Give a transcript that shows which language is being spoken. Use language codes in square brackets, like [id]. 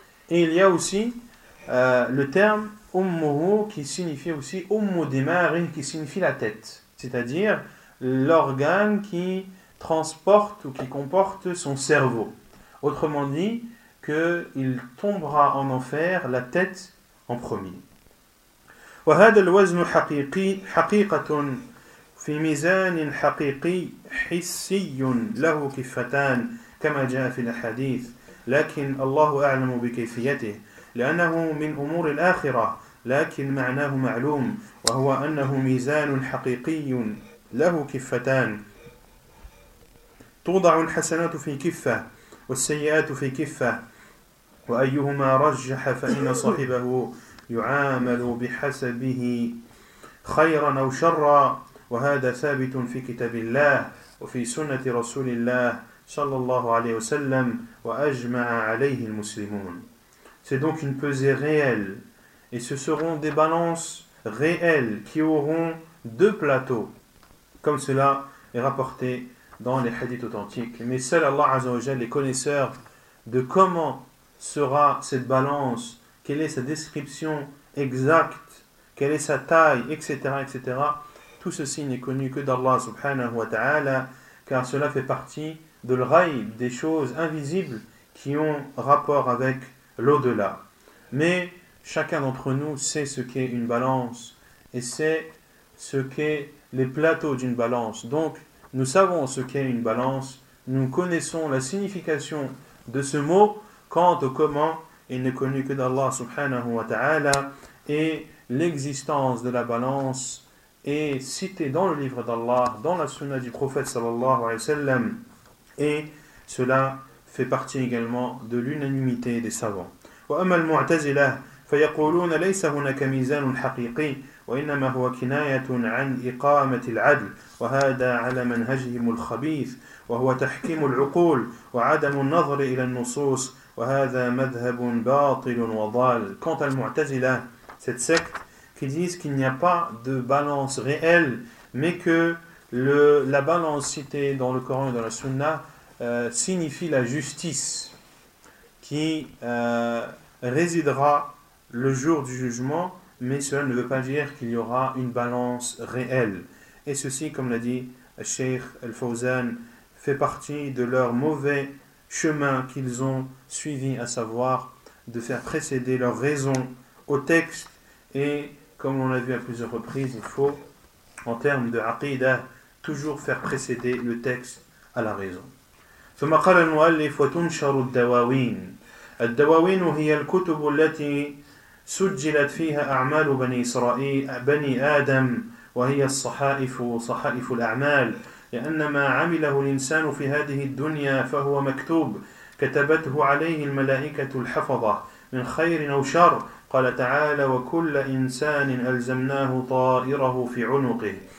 [fr] Et il y a aussi le terme Ummuhu qui signifie aussi Ummu Dimarin, qui signifie la tête, c'est-à-dire l'organe qui transporte ou qui comporte son cerveau. Autrement dit, qu'il tombera en enfer la tête en premier. [ar] وهذا الوزن حقيقي حقيقة في ميزان حقيقي حسي له كفتان كما جاء في الحديث لكن الله أعلم بكيفيته لأنه من أمور الآخرة لكن معناه معلوم وهو أنه ميزان حقيقي له كفتان توضع الحسنات في كفة والسيئات في كفة وأيهما رجح فإن صاحبه يعامل بحسبه خيرا أو شرا وهذا ثابت في كتاب الله وفي سنة رسول الله صلى الله عليه وسلم وأجمع عليه المسلمون. [fr] C'est donc une pesée réelle, et ce seront des balances réelles qui auront deux plateaux, comme cela est rapporté dans les hadiths authentiques. Mais seul Allah Azza wa Jalla est connaisseur de comment sera cette balance, quelle est sa description exacte, quelle est sa taille, etc. etc. Tout ceci n'est connu que d'Allah subhanahu wa ta'ala, car cela fait partie de l'ghaïb, des choses invisibles qui ont rapport avec l'au-delà. Mais chacun d'entre nous sait ce qu'est une balance et sait ce qu'est les plateaux d'une balance. Donc, nous savons ce qu'est une balance, nous connaissons la signification de ce mot quant au comment il n'est connu que d'Allah subhanahu wa ta'ala, et l'existence de la balance est citée dans le livre d'Allah, dans la sunna du prophète sallallahu alayhi wa sallam, et cela fait partie également de l'unanimité des savants. [ar] وأما المعتزلة فيقولون ليس هناك ميزان حقيقي وإنما هو كناية عن إقامة العدل وهذا على منهجهم الخبيث وهو تحكيم العقول وعدم النظر إلى النصوص وهذا مذهب باطل وضال. [fr] Quant à المعتزلة, cette secte qui disent qu'il n'y a pas de balance réelle, mais que la balance citée dans le Coran et dans la Sunna signifie la justice qui résidera le jour du jugement, mais cela ne veut pas dire qu'il y aura une balance réelle. Et ceci, comme l'a dit Cheikh Al-Fawzan, fait partie de leur mauvais chemin qu'ils ont suivi, à savoir de faire précéder leur raison au texte. Et comme on l'a vu à plusieurs reprises, il faut, en termes de aqidah, toujours faire précéder le texte à la raison. [ar] ثم قال المؤلف وتنشر الدواوين الدواوين هي الكتب التي سجلت فيها أعمال بني إسرائيل بني آدم وهي الصحائف صحائف الأعمال لأن ما عمله الإنسان في هذه الدنيا فهو مكتوب كتبته عليه الملائكة الحفظة من خير أو شر قال تعالى وكل إنسان ألزمناه طائره في عنقه